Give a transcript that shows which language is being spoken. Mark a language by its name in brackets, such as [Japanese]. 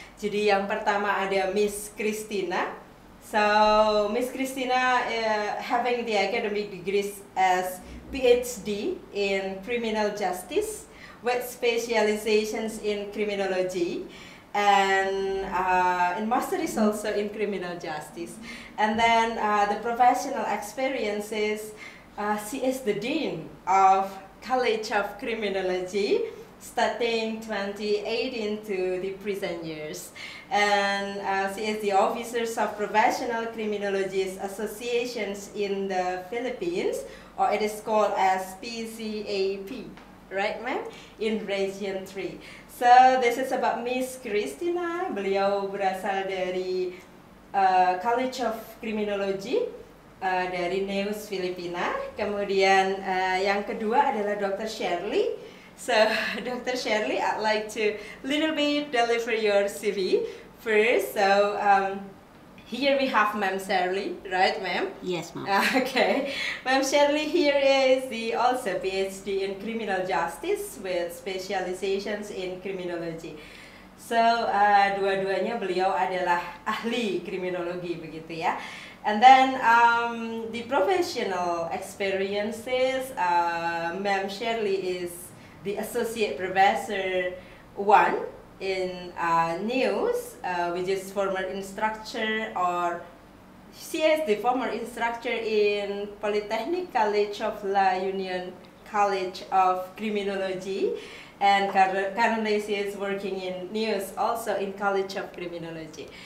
[Indonesian] Jadi yang pertama ada Miss Christina. [English] So, Miss Christina having the academic degrees as PhD in criminal justice with specializations in criminology, and in master is also in criminal justice. And then the professional experiences, she is the dean of College of Criminology starting 2018 to the present years, and she is the officers of professional criminologists associations in the Philippines, or it is called as PCAP, right, ma'am, in region 3. So this is about Miss Christina. [Indonesian] Beliau berasal dari College of Criminology dari NEUS Filipina. Kemudian yang kedua adalah Dr. [English] Shirley. So, Dr. Shirley, I'd like to little bit deliver your CV first. So, here we have Ma'am Shirley, right, ma'am? Yes, ma'am. Okay. Ma'am Shirley here is the also PhD in criminal justice with specializations in criminology. [Indonesian] So, dua-duanya beliau adalah ahli kriminologi begitu ya. [English] And then the professional experiences, Ma'am Shirley is the associate professor one in NEUS, which is former instructor, or she is the former instructor in Polytechnic College of La Union College of Criminology, and currently she is working in NEUS also in College of Criminology.